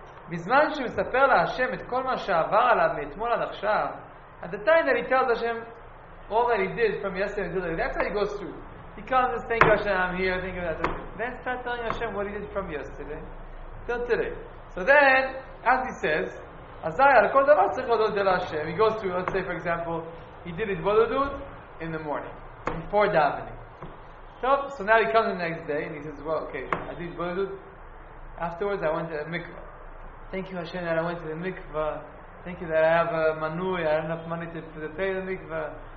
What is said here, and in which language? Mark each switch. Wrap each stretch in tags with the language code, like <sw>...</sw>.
<he>בזמן שמספר להשם את כל מה שעבר עליו מאתמול עד עכשיו,</he> <en>at the time that he tells Hashem all that he did from yesterday until today, that's how he goes through. He can't just think, Hashem, I'm here, think of that. Then start telling Hashem what he did from yesterday till today. So then, as he says,</en> <he>אזי על כל דבר צריך להודות להשם.</he> <en>He goes through, let's say for example, he did it בודדות in the morning, before davening. טוב, so now he comes the next day and he says, well, okay, I did בודדות. Afterwards, I went to the mikvah. Thank you, Hashem, that I went to the mikvah. Thank you that I have a manui. I have enough money to pay the mikvah.</en>